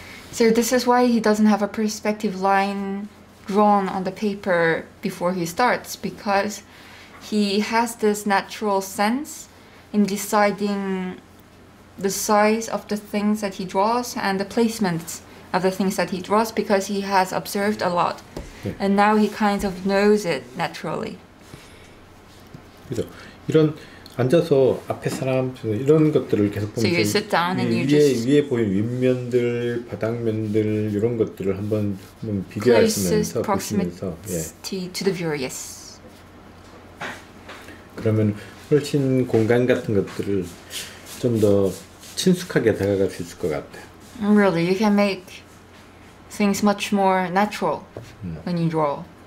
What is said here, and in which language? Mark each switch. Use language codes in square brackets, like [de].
[en] So this is why he doesn't have a perspective line drawn on the paper before he starts, because he has this natural sense in deciding the size of the things that he draws and the placements of the things that he draws, because he has observed a lot. Yeah. And now he kind of knows it naturally. [ko] 이런 앉아서 앞에 사람 이런 것들을 계속 보면 [en] so you sit down and [ko] 위에 보인 윗면들, 바닥면들 이런 것들을 한번 비교하시면서 보시면서 [en] 예. to the viewer, yes. [ko] 그러면 훨씬 공간 같은 것들을 좀 더 친숙하게 다가갈 수 있을 것 같아요. [en] Really, you can make things much more natural when you draw.